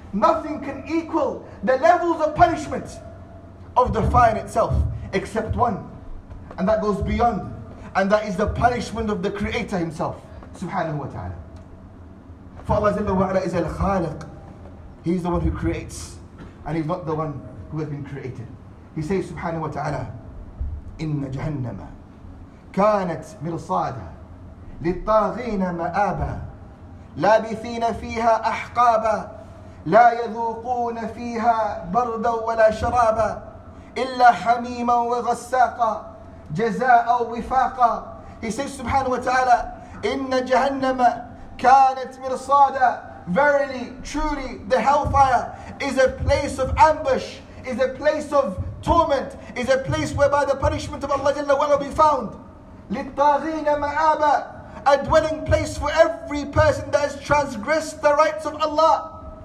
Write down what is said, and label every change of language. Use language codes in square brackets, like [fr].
[en] Nothing can equal the levels of punishment of the fire in itself, except one. And that goes beyond. And that is the punishment of the Creator Himself, subhanahu wa ta'ala. For Allah Jalla wa Ala is Al-Khaliq. He is the one who creates, and He's not the one who has been created. He says [ar] subhanahu wa ta'ala, إن جهنم كانت مرصادا للطاغين مآبا لابثين فيها أحقابا لا يذوقون فيها بردا ولا شرابا إلا حميما وغساقا جزاء أو وفاقا. [en] He says [ar] سبحانه وتعالى إن جهنم كانت مرصادا. [en] Verily, truly, the hellfire is a place of ambush, is a place of torment, is a place whereby the punishment of Allah Jalla will be found. [ar] للطاغين مآبا, [en] a dwelling place for every person that has transgressed the rights of Allah.